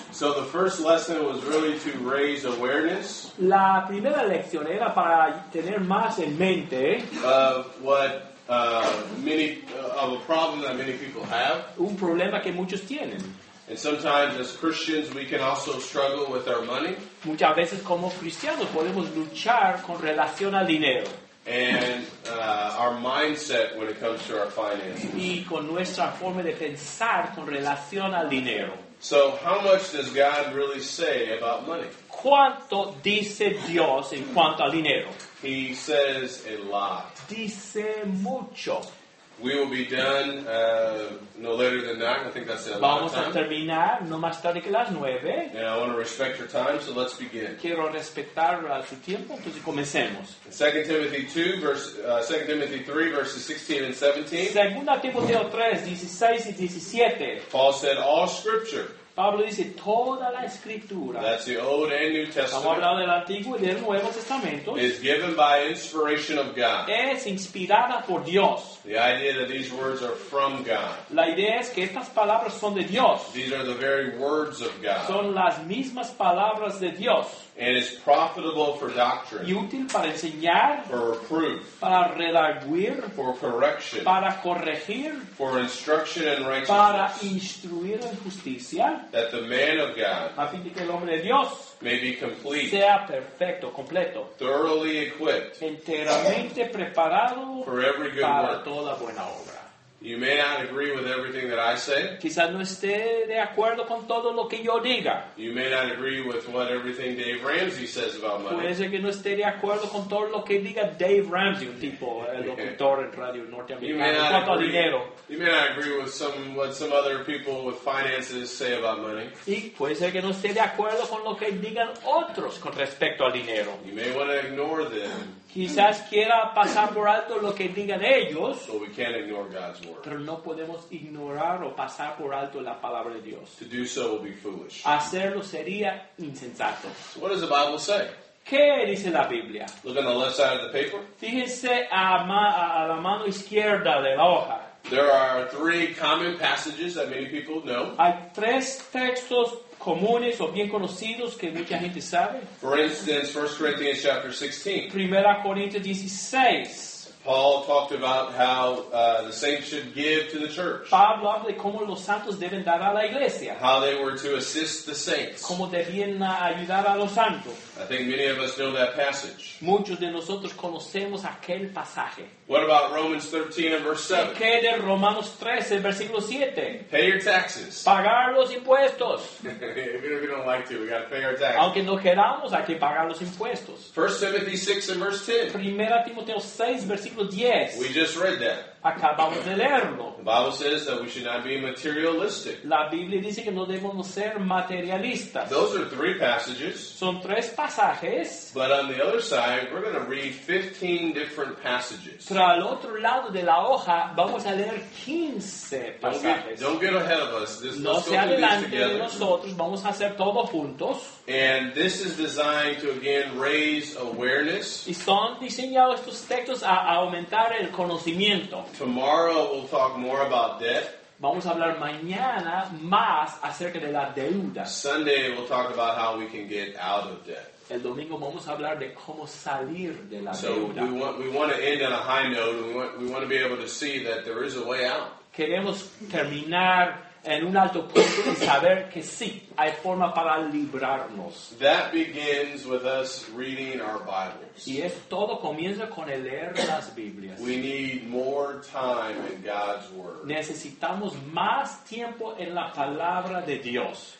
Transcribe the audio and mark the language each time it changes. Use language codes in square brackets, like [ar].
[en] So the first lesson was really to raise awareness. [es] La primera lección era para tener más en mente [en] of a problem that many people have. [es] Un problema que muchos tienen. [en] And sometimes as Christians we can also struggle with our money. [es] Muchas veces como cristianos podemos luchar con relación al dinero. [en] And our mindset when it comes to our finances. [es] Y con nuestra forma de pensar con relación al dinero. [en] So how much does God really say about money? [es] ¿Cuánto dice Dios en cuanto al dinero? [en] He says a lot. [es] Dice mucho. [en] We will be done no later than 9. I think that's the [es] Vamos [en] lot of time. [es] Vamos a terminar no más tarde que las 9. [en] And I want to respect your time, so let's begin. [es] Quiero respetar su tiempo, entonces comencemos. [en] 2 Timothy 3:16-17. [es] Segunda Timoteo 3, 16 y 17. [en] Paul said, all scripture. [es] Pablo dice, toda la escritura. [en] That's the Old and New Testament. [es] Estamos hablando del Antiguo y del Nuevo Testamento. [en] Is given by inspiration of God. [es] Es inspirada por Dios. [en] The idea that these words are from God. [es] La idea es que estas palabras son de Dios. [en] These are the very words of God. [es] Son las mismas palabras de Dios. [en] And it's profitable for doctrine. [es] Y útil para enseñar. [en] For reproof. [es] Para redarguir. [en] For correction. [es] Para corregir. [en] For instruction in righteousness. [es] Para instruir en justicia. [en] That the man of God. [es] A fin de que el hombre de Dios. [en] May be complete. [es] Sea perfecto, completo. [en] Thoroughly equipped. [es] Enteramente preparado. [en] For every good [es] para [en] work. [es] Para toda buena obra. [en] You may not agree with everything that I say. [es] Quizás no esté de acuerdo con todo lo que yo diga. [en] You may not agree with what everything Dave Ramsey says about money. [es] Puede ser que no esté de acuerdo con todo lo que diga Dave Ramsey, un tipo, el locutor en radio norteamericano. [en] You may not agree with what some other people with finances say about money. [es] Y puede ser que no esté de acuerdo con lo que digan otros con respecto al dinero. [en] You may want to ignore them. [es] Quizás quiera pasar por alto lo que digan ellos. [en] So we can't ignore God's word. [es] Pero no podemos ignorar o pasar por alto la palabra de Dios. [en] To do so will be foolish. [es] Hacerlo sería insensato. [en] So what does the Bible say? [es] ¿Qué dice la Biblia? [en] Look on the left side of the paper. [es] Fíjense a la mano izquierda de la hoja. [en] There are three common passages that many people know. [es] Hay tres textos comunes o bien conocidos que mucha gente sabe. [en] For instance, 1 Corinthians chapter 16. [es] Primera Corintios 16. [en] Paul talked about how the saints should give to the church. [es] Pablo habla de cómo los santos deben dar a la iglesia. [en] How they were to assist the saints. [es] Cómo debían ayudar a los santos. [en] I think many of us know that passage. [es] Muchos de nosotros conocemos aquel pasaje. [en] What about Romans 13 and verse 7? [es] ¿Qué de Romanos 13, versículo 7? [en] Pay your taxes. [es] Pagar los impuestos. [en] Even if we don't like to, we got to pay our taxes. [es] Aunque no queramos, hay que pagar los impuestos. [en] 1 Timothy 6 and verse 10. [es] Primera Timoteo 6, versículo 10. [en] We just read that. [es] Acabamos de leerlo. [en] The Bible says that we should not be materialistic. [es] La Biblia dice que no debemos ser materialistas. [en] Those are three passages. [es] Son tres pasajes. [en] But on the other side, we're going to read 15 different passages. [es] Pero al otro lado de la hoja, vamos a leer 15 pasajes. [en] Don't get ahead of us. This, [es] no se adelante de nosotros. Vamos a hacer todo juntos. [en] And this is designed to again raise awareness. [es] Y son diseñados estos textos a aumentar el conocimiento. [en] Tomorrow we'll talk more about debt. [es] Vamos a hablar mañana más acerca de la deuda. [en] Sunday we'll talk about how we can get out of debt. [es] El domingo vamos a hablar de cómo salir de la [en] so [es] deuda. [en] So we want to end on a high note. We want to be able to see that there is a way out. [es] Queremos terminar en un alto punto y saber que sí, hay forma para librarnos. [en] That begins with us reading our Bibles. [es] Y es todo comienza con el leer las Biblias. [en] We need more time in God's Word. [es] Necesitamos más tiempo en la Palabra de Dios.